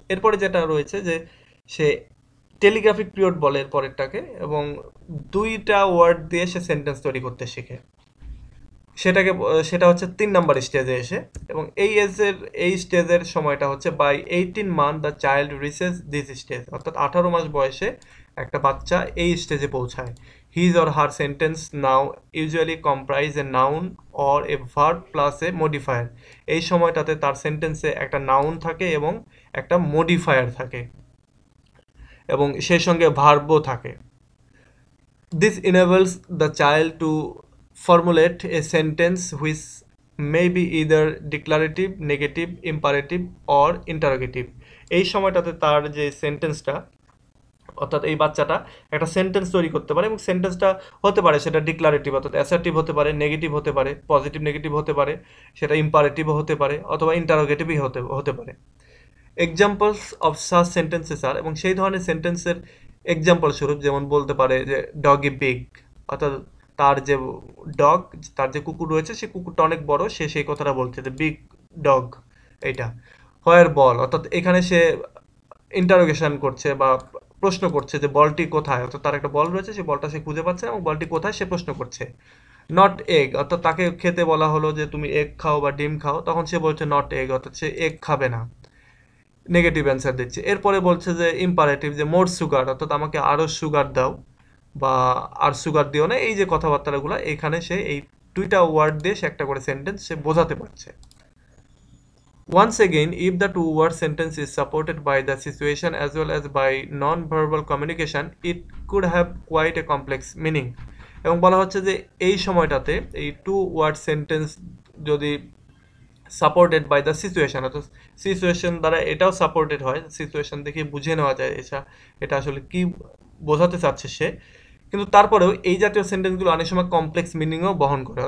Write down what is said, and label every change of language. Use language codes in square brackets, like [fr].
[bn] এরপরে যেটা রয়েছে যে সে টেলিগ্রাফিক পিরিয়ড বলে এরপরেরটাকে, এবং দুইটা ওয়ার্ড দিয়ে সে সেন্টেন্স তৈরি করতে শেখে সেটাকে, সেটা হচ্ছে 3 নম্বর স্টেজে এসে। এবং এই এজের, এই স্টেজের সময়টা হচ্ছে [en] by 18 month the child reaches this stage, [bn] অর্থাৎ 18 মাস বয়সে একটা বাচ্চা এই স্টেজে পৌঁছায়। [en] his or her sentence now usually comprise a noun or a verb plus a modifier. [bn] এই সময়টাতে তার সেন্টেন্সে একটা নাউন থাকে এবং একটা মডিফায়ার থাকে এবং সেই সঙ্গে ভার্বও থাকে. [en] This enables the child to formulate a sentence which may be either declarative, negative, imperative or interrogative. [bn] এই সময়টাতে তার যে সেন্টেন্সটা, অর্থাৎ এই বাচ্চাটা একটা সেন্টেন্স তৈরি করতে পারে এবং সেন্টেন্সটা হতে পারে সেটা ডিক্লারেটিভ, অর্থাৎ অ্যাসার্টিভ হতে পারে, নেগেটিভ হতে পারে, পজিটিভ নেগেটিভ হতে পারে, সেটা ইম্পারেটিভও হতে পারে অথবা ইন্টারোগেটিভই হতে পারে. [en] examples of such sentences are, [bn] এবং সেই ধরনের সেন্টেন্সের এক্সাম্পল স্বরূপ যেমন বলতে পারে যে ডগি বিগ, অর্থাৎ তার যে ডগ, তার যে কুকুর রয়েছে সে কুকুরটা অনেক বড়, সে সেই কথাটা বলছে যে বিগ ডগ. এটা হোয়ার বল, অর্থাৎ এখানে সে ইন্টারোগেশন করছে বা প্রশ্ন করছে যে বলটি কোথায়, অর্থাৎ তার একটা বল রয়েছে, সে বলটা সে খুঁজে পাচ্ছে এবং বলটি কোথায় সে প্রশ্ন করছে. নট এগ, অর্থাৎ তাকে খেতে বলা হলো যে তুমি এগ খাও বা ডিম খাও, তখন সে বলছে নট এগ, অর্থাৎ সে এগ খাবে না, নেগেটিভ অ্যান্সার দিচ্ছে. এরপরে বলছে যে ইম্পারেটিভ, যে মোর সুগার, অর্থাৎ আমাকে আরও সুগার দাও বা আর সুগার দিও না. এই যে কথাবার্তাগুলো এখানে সে এই দুইটা ওয়ার্ড দিয়ে সে একটা করে সেন্টেন্স সে বোঝাতে পারছে. [en] Once again, if the two-word sentence is supported by the situation as well as by non-verbal communication, it could have quite a complex meaning. [bn] এবং বলা হচ্ছে যে এই সময়টাতে এই two-word sentence যদি [en] supported by the situation, [bn] অর্থাৎ সিচুয়েশন দ্বারা এটাও সাপোর্টেড হয়, সিচুয়েশন দেখে বুঝে নেওয়া যায় এটা এটা আসলে কী বোঝাতে চাচ্ছে সে, কিন্তু তারপরেও এই জাতীয় সেন্টেন্সগুলো অনেক সময় কমপ্লেক্স মিনিংও বহন করে.